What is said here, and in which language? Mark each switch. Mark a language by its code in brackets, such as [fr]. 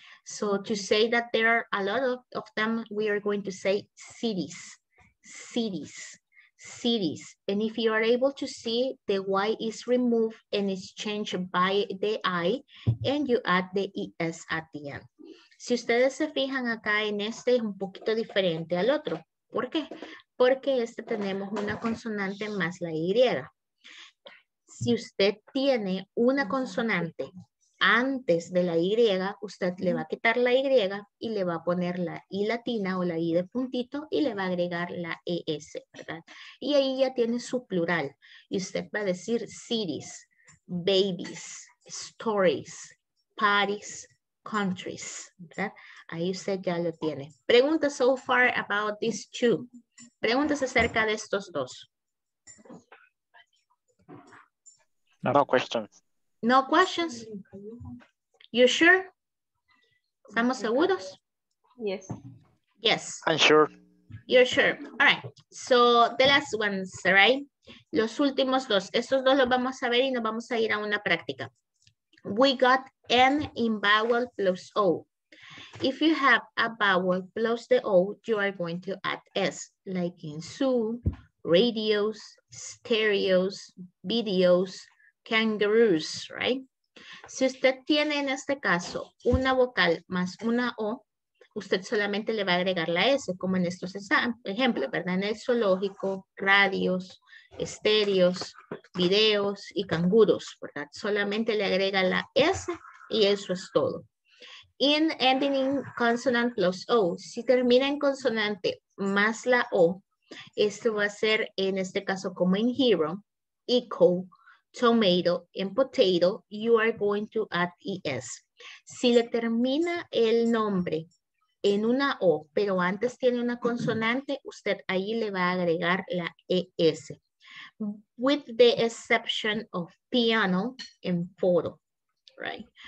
[en] So to say that there are a lot of them, we are going to say cities, cities, cities. And if you are able to see, the Y is removed and is changed by the I, and you add the ES at the end. [es] Si ustedes se fijan acá en este, es un poquito diferente al otro. ¿Por qué? Porque este tenemos una consonante más la Y. Si usted tiene una consonante antes de la Y, usted le va a quitar la Y y le va a poner la I latina o la I de puntito y le va a agregar la ES, ¿verdad? Y ahí ya tiene su plural. Y usted va a decir [en] cities, babies, stories, parties, countries, [es] ¿verdad? Ahí usted ya lo tiene. Preguntas [en] so far about these two. [es] Preguntas acerca de estos dos. [en] No questions. No questions. You sure? [es] ¿Estamos seguros? [en] Yes. Yes. I'm sure. You're sure. All right. So the last ones, right? [es] Los últimos dos. Estos dos los vamos a ver y nos vamos a ir a una práctica. [en] We got N in vowel plus O. If you have a vowel plus the O, you are going to add S. Like in Zoom, radios, stereos, videos, kangaroos, right? [es] Si usted tiene en este caso una vocal más una O, usted solamente le va a agregar la S, como en estos ejemplos, ¿verdad? En el zoológico, radios, estéreos, videos y canguros, ¿verdad? Solamente le agrega la S y eso es todo. In ending in consonant plus O, si termina en consonante más la O, esto va a ser en este caso como en hero, eco, tomato and potato, you are going to add ES. Si le termina el nombre en una O, pero antes tiene una consonante, usted ahí le va a agregar la ES. [en] With the exception of piano and photo, right?